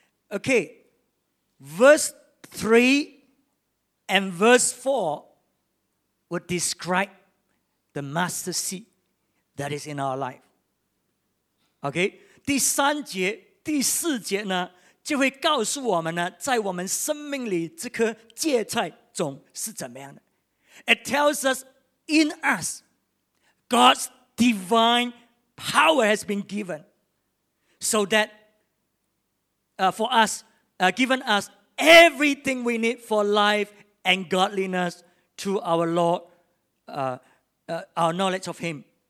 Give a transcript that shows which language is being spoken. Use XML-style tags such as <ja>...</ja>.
<en>Okay, verse 3 and verse 4 would describe the mustard seed that is in our life.</en> <zh>Okay, 第三节, 第四节呢, 就会告诉我们呢, 在我们生命里这颗芥菜种是怎么样的。</zh> <en>It tells us in us, God's divine power has been given so that for us, given us everything we need for life and godliness through our Lord, our knowledge of Him.</en>